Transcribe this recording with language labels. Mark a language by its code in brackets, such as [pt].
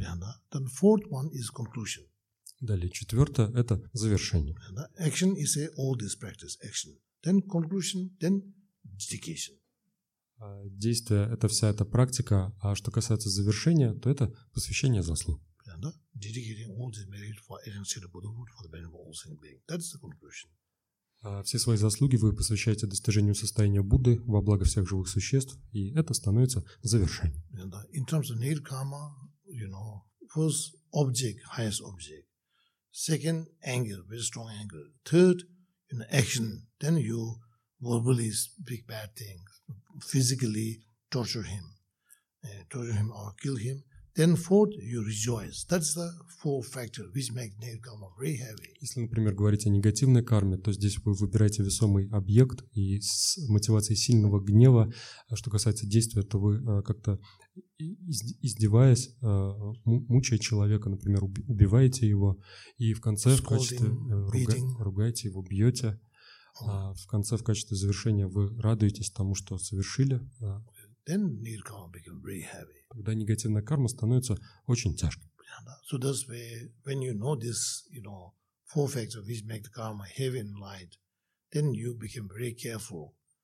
[en] Yeah, then fourth one is conclusion. [ru] Далее четвертое — это завершение. [en] Yeah, action is all this practice. Action, then conclusion, then dedication. [ru] Действие — это вся эта практика, а что касается завершения, то это посвящение заслуг. [en] Yeah, dedicating all this merit for Arahant Buddhahood for the benefit of all sentient beings. That's the conclusion. [ru] Все свои заслуги вы посвящаете достижению состояния Будды во благо всех живых существ, и это становится завершением. [en] And in terms of nirkama, first object, highest object. Second, anger, very strong anger. Third, action. Then you verbally speak bad things, physically torture him or kill him. Then fourth, you rejoice. That's the fourth factor which makes nirkama very heavy. [ru] Если, например, говорить о негативной карме, то здесь вы выбираете весомый объект и с мотивацией сильного гнева. Что касается действия, то вы как-то издеваясь, мучая человека, например, убиваете его, и в конце в качестве ругаете его, бьете. В конце в качестве завершения вы радуетесь тому, что совершили. [en] Then nirkama becomes very heavy. [ru] Тогда негативная карма становится очень тяжкой. [en] So that's when you know this, four factors which make the karma heavy and light, then you become very careful.